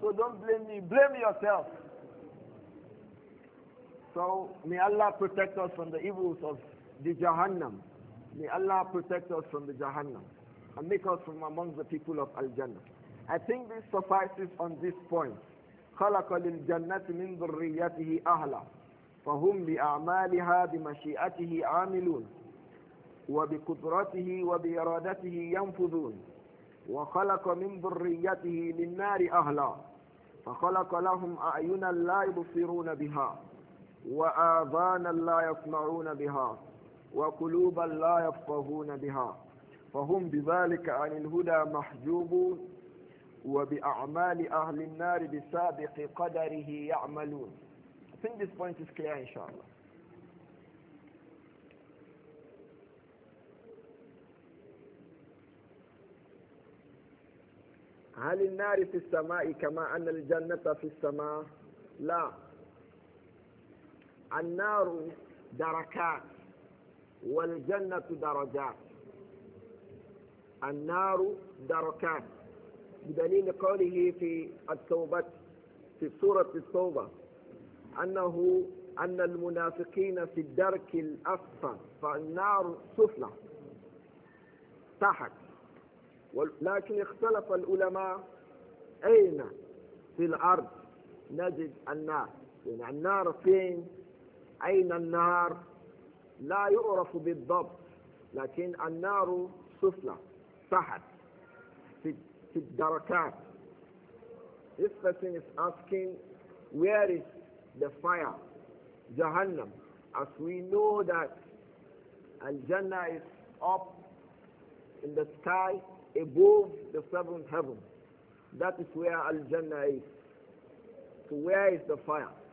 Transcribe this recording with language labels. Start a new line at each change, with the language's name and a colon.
English: So don't blame me, blame yourself. So may Allah protect us from the evils of the Jahannam. May Allah protect us from the Jahannam and make us from among the people of Al-Jannah. I think this suffices on this point.
Arabic: خَلَقَ لِلْجَنَّةِ مِنْ ذُرِّيَّتِهِ أَهْلًا فَهُمْ بِأَعْمَالِهَا بِمَشِيئَتِهِ عَامِلُونَ وبقدرته وبإرادته ينفذون وخلق من ذريته للنار أهلا فخلق لهم أعينا لا يبصرون بها وآذانا لا يسمعون بها وقلوبا لا يفقهون بها فهم بذلك عن الهدى محجوبون وبأعمال أهل النار بسابق قدره يعملون.
English: I think this point is clear, inshallah.
Arabic: هل النار في السماء كما أن الجنة في السماء؟ لا. النار دركات والجنة درجات. النار دركات بدليل قوله في التوبة في سورة التوبة أنه أن المنافقين في الدرك الأسفل فالنار سفلى تحت. ولكن اختلف العلماء أين في الأرض نجد النار، يعني النار فين؟ أين النار؟ لا يعرف بالضبط، لكن النار سفلى تحت في الدركات.
English: This person is asking, where is the fire? Jahannam, as we know that Al-Jannah is up in the sky above the seventh heaven. That is where Al-Jannah is. So where is the fire?